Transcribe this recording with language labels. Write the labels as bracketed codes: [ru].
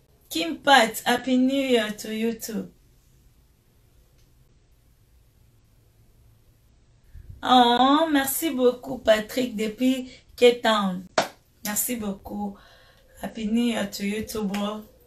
[en] Kim Pat, Happy New Year to you too. [fr] Oh, merci beaucoup Patrick depuis Cape Town. Merci beaucoup. [en] Happy New Year to you too, bro.